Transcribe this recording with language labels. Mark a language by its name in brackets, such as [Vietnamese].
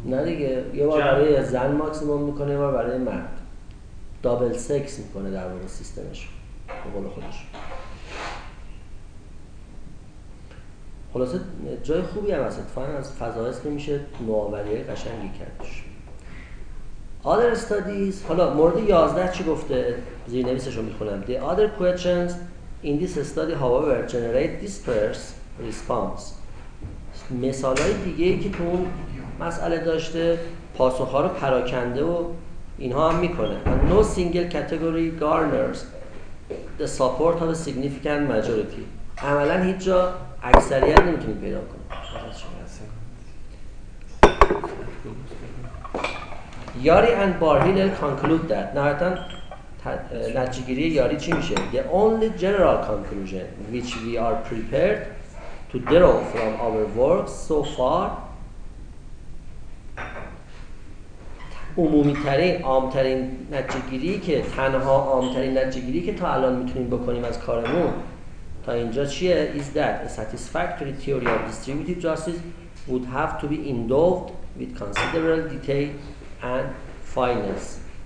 [Persian] میکنن؟ نه دیگه، یه بار برای زن ماکسیموم میکنه، یه بار برای مرد دابل سکس میکنه در واقع سیستمش به قول خودش. خلاصه جای خوبی هم هست، اتفاقا از فضای است که میشه نوآوری‌های قشنگی کردش. [English] Other studies، [Persian] حالا مورد 11 چی گفته؟ زیر نویسش رو میخونم. [English] The other questions in this study however generate disperse response. [Persian] مثال های دیگه ای که تو اون مسئله داشته پاسخ ها رو پراکنده و اینها هم میکنه. [English] And no single category garners the support of a significant majority. [Persian] عملا هیچ جا اکثریت نمیتونی پیدا کنی. [English] Yari and Barhill conclude that. [Persian] نهایتا نتیجه‌گیری یاری چی میشه؟ [English] The only general conclusion which we are prepared to draw from our work so far، [Persian] عمومی ترین عام‌ترین نتیجه‌گیری که تنها عام‌ترین نتیجه‌گیری که تا الان میتونیم بکنیم از کارمون تا اینجا چیه؟ [English] Is that a satisfactory theory of distributive justice would have to be endowed with considerable detail and fineness.